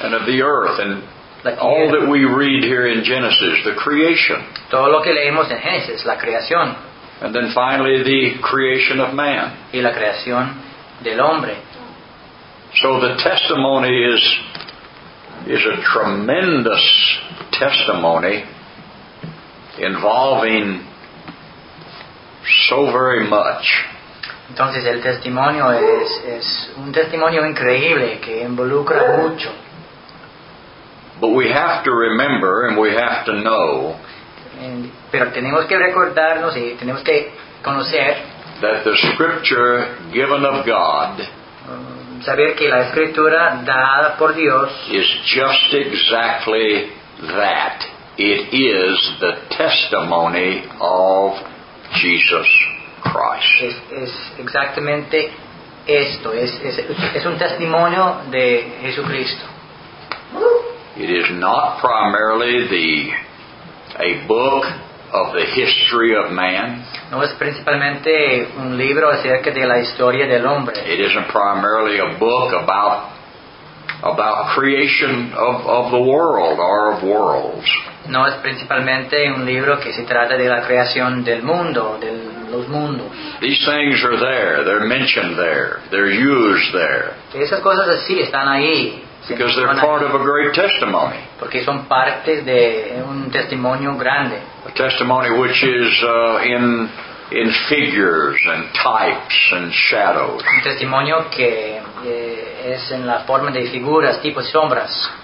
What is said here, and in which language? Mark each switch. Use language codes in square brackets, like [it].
[en] And of the earth and all that we read here in Genesis, the creation. [es] Todo lo que leemos en Génesis, la creación. [en] And then finally the creation of man. [es] Y la creación del hombre. [en] So the testimony is a tremendous testimony involving so very much. [es] Entonces el testimonio es un testimonio increíble que involucra mucho. [en] But we have to remember and we have to know. [es] Pero tenemos que recordarnos y tenemos que conocer [en] that the scripture given of God, [es] saber que la escritura dada por Dios, [en] is just exactly that. It is the testimony of Jesus Christ. [es] Es exactamente esto. Es un testimonio de Jesucristo. [en] It is not primarily a book of the history of man. [es] No es principalmente un libro acerca de la historia del hombre. [en] It isn't primarily a book about creation of the world or of worlds. [es] No es principalmente un libro que se trata de la creación del mundo, de los mundos. [en] These things are there. They're mentioned there. They're used there. [es] Esas cosas así están ahí. [en] Because they're part of a great testimony. [es] Porque son parte de un testimonio grande. [en] A testimony which is in figures and types and shadows. [es] Un testimonio que es en la forma de figuras, tipos y sombras.